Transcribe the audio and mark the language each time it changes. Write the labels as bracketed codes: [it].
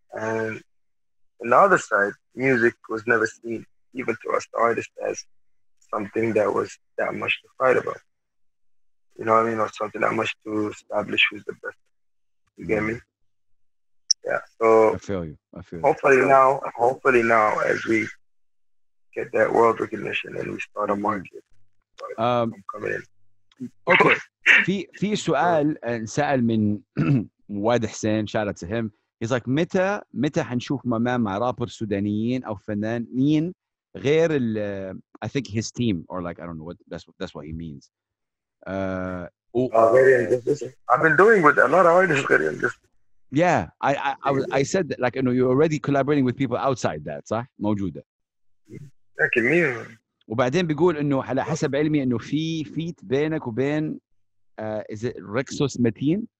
[en] And on the other side, music was never seen, even to us, the artists, as something that was that much to fight about. You know what I mean? Or something that much to establish who's the best. You get me? Yeah. So I feel you. Hopefully now as we get that world recognition and we start a market. Okay. [ar] في سؤال سأل من مواد حسين, [en] shout out to him. He's like, [ar] متى حنشوف مامان مع رابر سودانيين أو فنانين غير ال, [en] I think his team, or like, I don't know what that's what he means. I've been doing with a lot of artists. Yeah, I said that, like, you know, you're already collaborating with people outside that, [ar] صح? موجودة. لكن مين؟ وبعدين بيقول انه على حسب علمي انه في فيت بينك وبين [en] is it [ar] Rexos Metin?